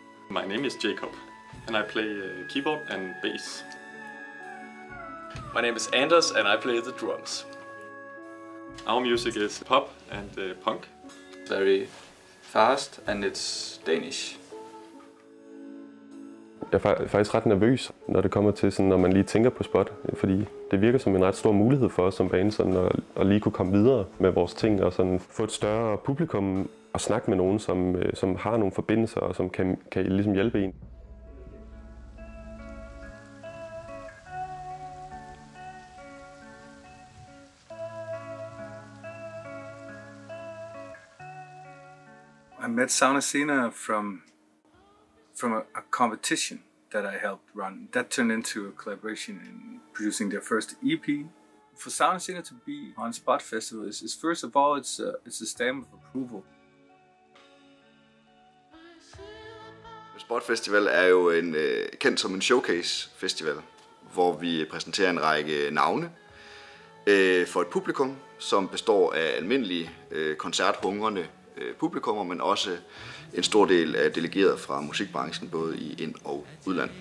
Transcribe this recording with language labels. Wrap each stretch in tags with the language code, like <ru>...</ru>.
<en>My name is Jacob, and I play keyboard and bass. My name is Anders, and I play the drums. Our music is pop and punk. Very fast, and it's Danish.</en> <da>Jeg er faktisk ret nervøs, når det kommer til, sådan, når man lige tænker på spot, fordi det virker som en ret stor mulighed for os som band sådan at lige kunne komme videre med vores ting og sådan få et større publikum og snakke med nogen, som har nogle forbindelser og som kan ligesom hjælpe en.</da> <en>I met Sauna Senere from a competition that I helped run. That turned into a collaboration in producing their first EP. For Sauna Senere to be on Spot Festival is first of all, it's a stamp of approval.</en> <da>Spot Festival er jo en kendt som en showcase festival, hvor vi præsenterer en række navne for et publikum, som består af almindelige koncerthungrende publikummer, men også en stor del af delegeret fra musikbranchen, både i ind- og udland.</da>